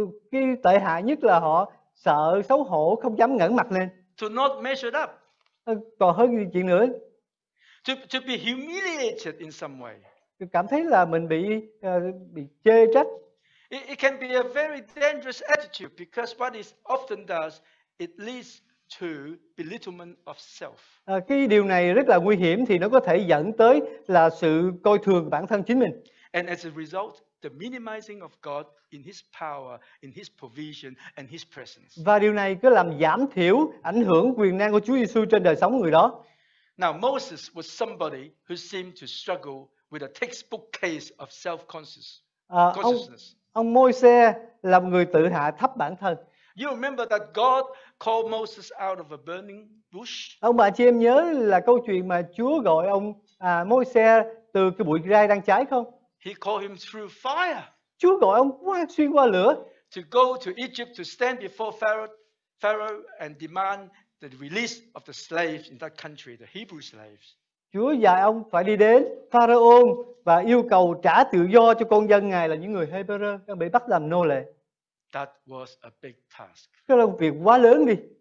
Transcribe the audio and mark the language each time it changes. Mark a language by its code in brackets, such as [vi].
[vi] Cái tệ hại nhất là họ sợ xấu hổ, không dám ngẩng mặt lên. [en] To not measure up. [vi] Còn hơn gì chuyện nữa. [en] To be humiliated in some way. [vi] Cảm thấy là mình bị chê trách. [en] It can be a very dangerous attitude because what it often does, it leads to belittlement of self. [vi] Cái điều này rất là nguy hiểm thì nó có thể dẫn tới là sự coi thường bản thân chính mình. [en] And as a result, the minimizing of God in His power, in His provision, and His presence. [vi] Và điều này cứ làm giảm thiểu ảnh hưởng quyền năng của Chúa Giêsu trên đời sống người đó. [en] Now Moses was somebody who seemed to struggle with a textbook case of self-consciousness. [vi] Ông Môi-se là một người tự hạ thấp bản thân. [en] You remember that God called Moses out of a burning bush? [vi] Ông bà chị em nhớ là câu chuyện mà Chúa gọi ông Môi-se từ cái bụi gai đang cháy không? [en] He called him through fire. [vi] Chúa gọi ông xuyên qua lửa. [en] To go to Egypt to stand before Pharaoh and demand the release of the slaves in that country, the Hebrew slaves. [vi] Chúa dạy ông phải đi đến Pharaoh và yêu cầu trả tự do cho con dân Ngài là những người Hebrew đang bị bắt làm nô lệ. [en] That was a big task. [vi] Cái là một việc quá lớn đi.